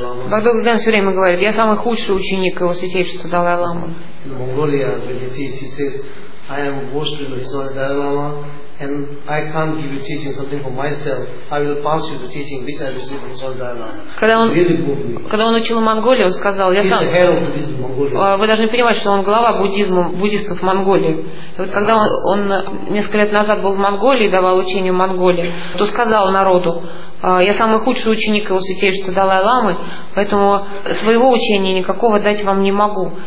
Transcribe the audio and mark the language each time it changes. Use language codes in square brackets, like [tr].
[ru] Багдугаган все время говорит, я самый худший ученик его святейшества Далай-лама. [en] In Mongolia, when he teaches, he says, I am worst student of His Holiness Dalai-lama, and I can't give you teaching something for myself. I will pass you the teaching which I received from His Holiness Dalai-lama. [ru] Когда он учил в Монголии, он сказал, я сам. Вы должны понимать, что он глава буддизма, буддистов в Монголии. И вот когда он несколько лет назад был в Монголии, давал учение в Монголии, то сказал народу, я самый худший ученик его святейшества Далай-ламы, поэтому своего учения никакого дать вам не могу.